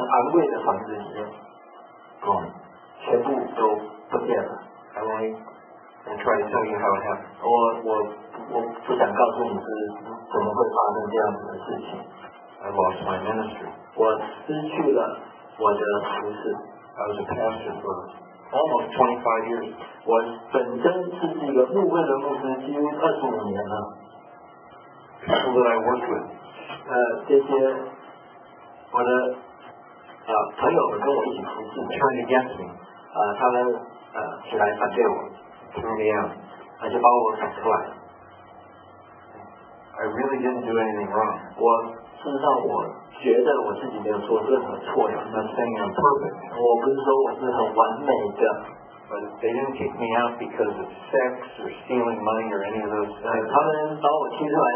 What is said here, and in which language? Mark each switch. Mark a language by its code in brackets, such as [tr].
[zh] 我以前曾经住过一个非常昂贵的房子里面。 [en] Gone. [zh] 全部都不见了。 [en] I won't even try to tell you how it happened. [zh] 我不想告诉你是怎么会发生这样子的事情。 [en] I lost my ministry. [zh] 我失去了我的服事。 [en] I was a pastor for almost 25 years. [zh] 我本身是一个牧会的牧师，几乎25年了。 [en] People that I worked with. [zh] 这些我的朋友们跟我一起服事。 [en] Turned against me. [zh] 他们起来反对我。 [en] Threw me out. [zh] 他就把我赶出来。 [en] I really didn't do anything wrong. [zh] 我事实上我觉得我自己没有做任何错呀。 [en] I'm not saying I'm perfect. [zh] 我不是说我是很完美的。 [en] But they didn't kick me out because of sex or stealing money or any of those things.